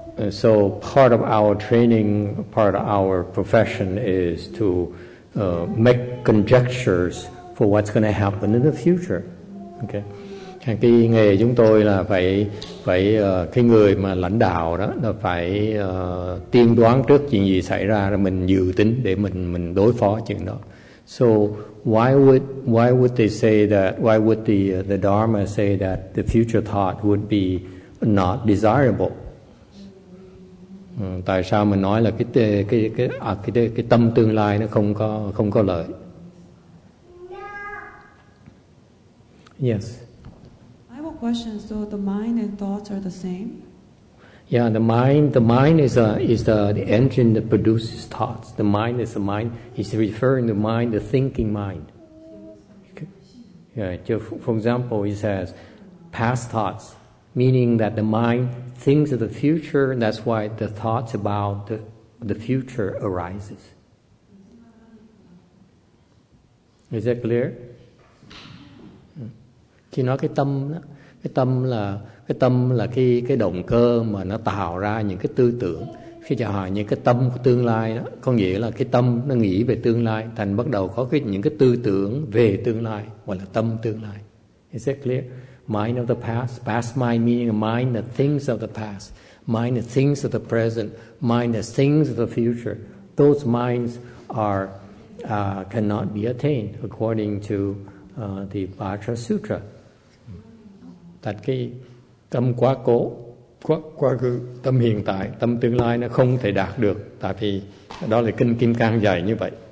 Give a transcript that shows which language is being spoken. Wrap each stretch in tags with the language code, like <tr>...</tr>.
<en>So part of our training, part of our profession is to make conjectures for what's going to happen in the future. Okay.</en> <vi>Cái nghề chúng tôi là phải cái người mà lãnh đạo đó là phải tiên đoán trước chuyện gì xảy ra rồi mình dự tính để mình đối phó chuyện đó.</vi> <en>So why would they say that? Why would the Dharma say that the future thought would be not desirable?</en> <vi>Tại sao mình nói là cái tâm tương lai nó không có lợi?</vi> <en>Yes. I have a question. So the mind and thoughts are the same? Yeah, the mind is the engine that produces thoughts. The mind is the mind. He's referring to mind, the thinking mind. Okay. Yeah, for example, he says past thoughts, meaning that the mind thinks of the future, and that's why the thoughts about the future arises. Is that clear?</en> <vi>Khi nói cái tâm là cái động cơ mà nó tạo ra những cái tư tưởng. Khi chào hỏi những cái tâm của tương lai đó, có nghĩa là cái tâm nó nghĩ về tương lai, thành bắt đầu có những cái tư tưởng về tương lai, gọi là tâm tương lai.</vi> <en>Is that clear? Mind of the past mind meaning a mind that thinks of the past, mind that thinks of the present, mind that thinks of the future. Those minds are cannot be attained according to the Vajra Sutra.</en> <vi>Tại cái tâm quá cố, quá cứ, tâm hiện tại, tâm tương lai nó không thể đạt được. Tại vì đó là kinh Kim Cang dạy như vậy.</vi>